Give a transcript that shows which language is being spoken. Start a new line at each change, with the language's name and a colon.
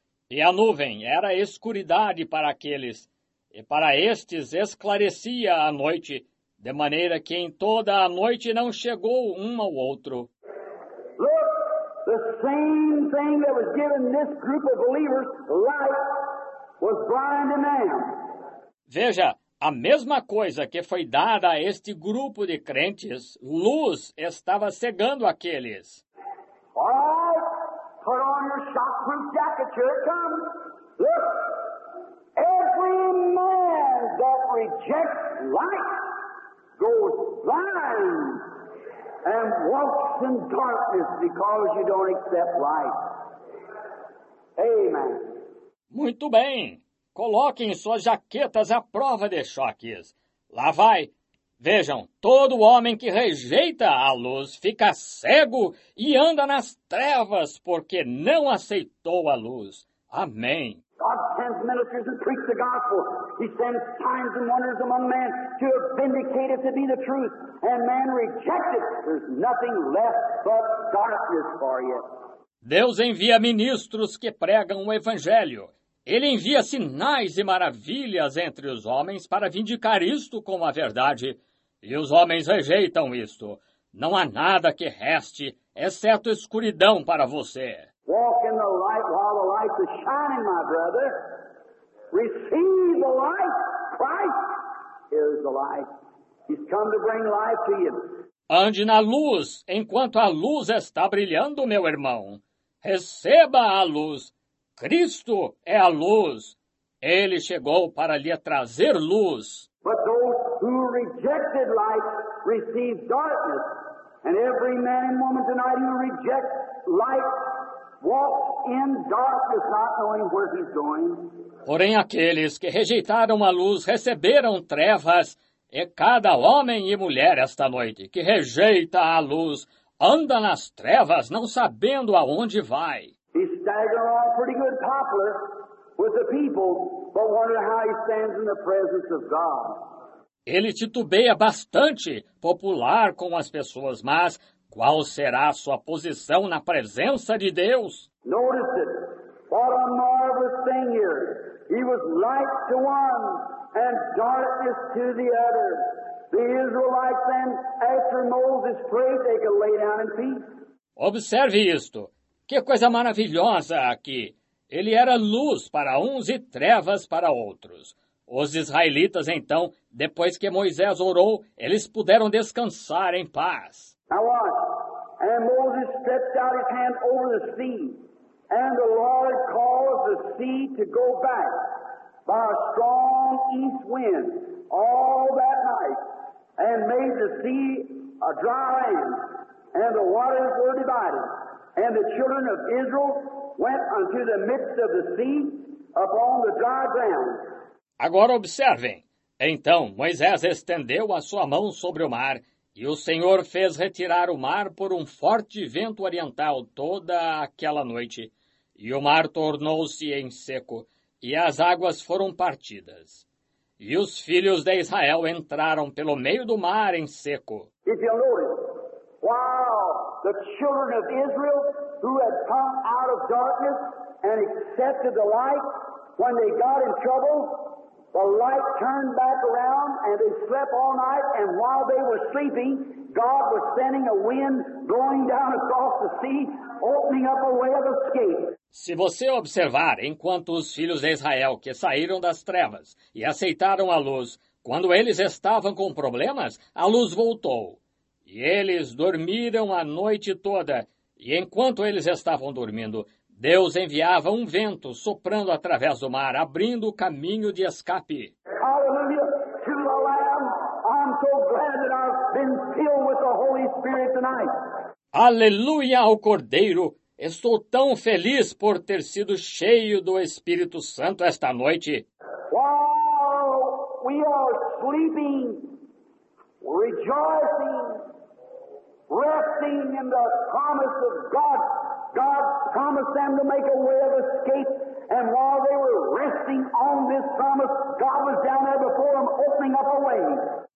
Portuguese: E a nuvem era escuridade para aqueles, e para estes esclarecia a noite, de maneira que em toda a noite não chegou um ao outro.
English: Look, the same thing that was given this group of believers, light, was blinding them.
Portuguese: Veja, a mesma coisa que foi dada a este grupo de crentes, luz estava cegando aqueles.
English: All right, put on your shockproof jacket, here it comes. Look, every man that rejects light goes blind and walks in darkness because you don't accept light. Amen.
Portuguese: Muito bem. Coloquem suas jaquetas à prova de choques. Lá vai. Vejam, todo homem que rejeita a luz fica cego e anda nas trevas porque não aceitou a luz. Amém.
English: God sends ministers and preach the gospel. He sends signs and wonders among men to vindicate it to be the truth. And man rejects it. There's nothing left but darkness for you.
Portuguese: Deus envia ministros que pregam o evangelho. Ele envia sinais e maravilhas entre os homens para vindicar isto como a verdade. E os homens rejeitam isto. Não há nada que reste, exceto escuridão para você.
English: Walk in the light while the light is shining, my brother. Receive the light. Christ is the light. He's come to bring life to you.
Portuguese: Ande na luz enquanto a luz está brilhando, meu irmão. Receba a luz. Cristo é a luz. Ele chegou para lhe trazer luz.
English: But those who rejected light receive darkness. And every man and woman tonight who rejects light walks in darkness, not knowing where he's going.
Portuguese: Porém, aqueles que rejeitaram a luz receberam trevas. E cada homem e mulher esta noite que rejeita a luz anda nas trevas, não sabendo aonde vai.
English: Staggering along pretty good Poplar with the people, but wondering how he stands in the presence of God.
Portuguese: Ele titubeia bastante, popular com as pessoas, mas qual será a sua posição na presença de Deus?
English: Notice it. What a marvelous thing here. He was light to one and darkness to the other. The Israelites then, after Moses prayed, they could lay down in peace.
Portuguese: Observe isto. Que coisa maravilhosa aqui! Ele era luz para uns e trevas para outros. Os israelitas, então, depois que Moisés orou, eles puderam descansar em paz.
English: Now watch. And Moses stretched out his hand over the sea, and the Lord caused the sea to go back by a strong east wind all that night, and made the sea a dry land, and the waters were divided. And the children of Israel went unto the midst of the sea upon the dry ground.
Portuguese: Agora observem. Então Moisés estendeu a sua mão sobre o mar, e o Senhor fez retirar o mar por um forte vento oriental toda aquela noite. E o mar tornou-se em seco, e as águas foram partidas. E os filhos de Israel entraram pelo meio do mar em seco.
English: If you notice, while the children of Israel who had come out of darkness and accepted the light, when they got in trouble, the light turned back around and they slept all night, and while they were sleeping, God was sending a wind blowing down across the sea, opening up a way of escape.
Portuguese: Se você observar, enquanto os filhos de Israel que saíram das trevas e aceitaram a luz, quando eles estavam com problemas, a luz voltou. E eles dormiram a noite toda, e enquanto eles estavam dormindo, Deus enviava um vento soprando através do mar, abrindo o caminho de escape. Aleluia!
English: To the Lamb, I'm so glad that I've been filled with the Holy Spirit tonight.
Portuguese: Aleluia ao Cordeiro! Estou tão feliz por ter sido cheio do Espírito Santo esta noite.
English: While we are sleeping, rejoicing, resting in the promise of God. God promised them to make a way of escape. And while they were resting on this promise, God was down there before them, opening up a way.